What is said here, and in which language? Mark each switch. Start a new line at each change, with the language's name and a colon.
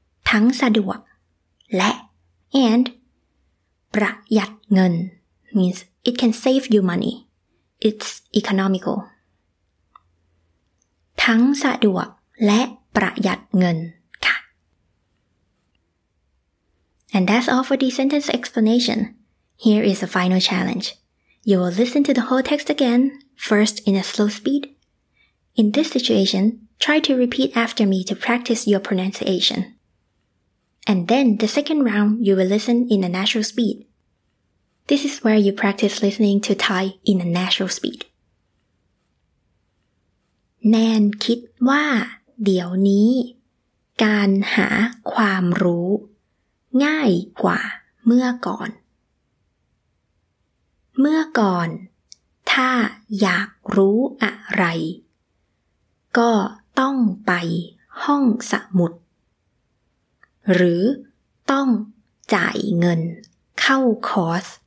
Thai: ทั้งสะดวกและ
English: and
Thai: ประหยัดเงิน
English: means it can save you money. It's economical.
Thai: ทั้งสะดวกและประหยัดเงิน
English: And that's all for the sentence explanation. Here is the final challenge. You will listen to the whole text again, first in a slow speed. In this situation, try to repeat after me to practice your pronunciation. And then the second round, you will listen in a natural speed. This is where you practice listening to Thai in a natural speed.
Thai: Nan คิดว่าเดี๋ยวนี้การหาความรู้ง่ายกว่าเมื่อก่อนเมื่อก่อนถ้าอยากรู้อะไรก็ต้องไปห้องสมุดหรือต้องจ่ายเงินเข้าคอร์ส